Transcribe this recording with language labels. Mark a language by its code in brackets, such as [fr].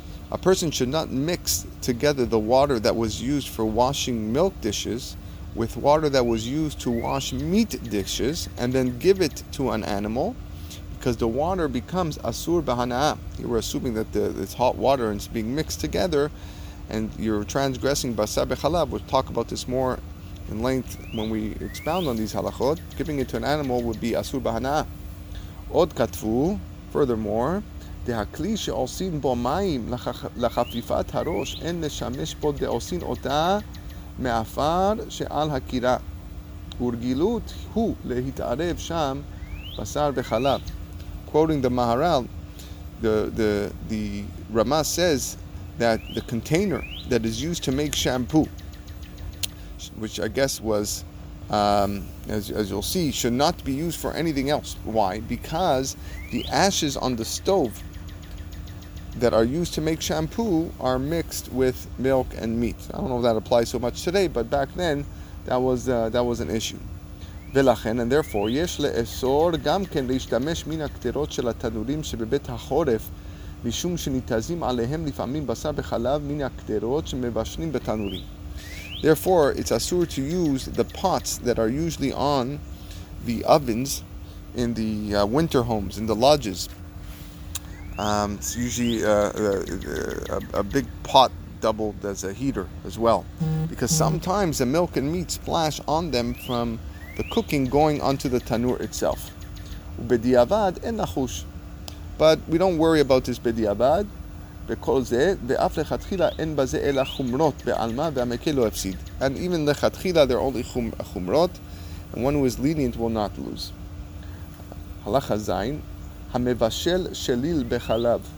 [en] A person should not mix together the water that was used for washing milk dishes with water that was used to wash meat dishes and then give it to an animal, because the water becomes asur bahana'a. You're assuming that it's hot water and it's being mixed together, and you're transgressing basar bechalav. We'll talk about this more in length when we expound on these halachot. Giving it to an animal would be asur bahana'a. [he] עוד כתבו, furthermore, דהכלי שעושים בו מים לחפיפת הראש, אין לשמש בו דעושים אותה מאפר שעל הקירה. ורגילות הוא להתערב שם בשר וחלב. [en] Quoting the Maharal, the Rama says that the container that is used to make shampoo, which I guess was, as you'll see, should not be used for anything else. Why? Because the ashes on the stove that are used to make shampoo are mixed with milk and meat. I don't know if that applies so much today, but back then, that was an issue. [he] ולכן, [en] and therefore, [he] יש לאסור גם כן להשתמש מן הקטרות של התנורים שבבית החורף, משום שניתזים עליהם לפעמים בשר וחלב מן הקטרות שמבשנים בתנורים. [en] Therefore, it's אסור to use the pots that are usually on the ovens in the winter homes, in the lodges. It's usually a big pot doubled as a heater as well. Because sometimes the milk and meat splash on them from the cooking going onto the tanur itself. [he] ובדיעבד אין נחוש. [en] But we don't worry about this [he] בדיעבד, בכל זה, ואף לכתחילה אין בזה אלא חומרות בעלמה והמקל לא הפסיד. [en] And even לכתחילה there are only חומרות, and one who is lenient will not lose. [he] הלכה זין, המבשל שליל בחלב.